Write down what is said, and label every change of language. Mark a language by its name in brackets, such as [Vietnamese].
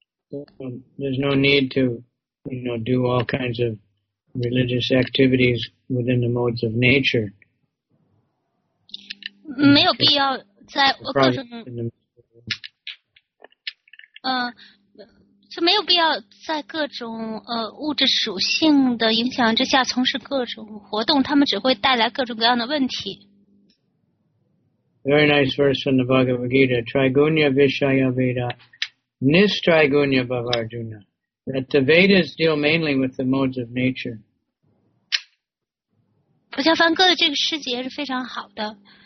[English] There's no need to, you know, do all kinds of religious activities within the modes of nature. [Chinese] 没有必要在各种就没有必要在各种物质属性的影响之下从事各种活动，他们只会带来各种各样的问题。 [English] Very nice verse from the Bhagavad Gita: Trigunya Vishaya Veda Nistrigunya Bhavarjuna. That the Vedas deal mainly with the modes of nature. [Chinese] 普贤梵歌的这个诗节是非常好的。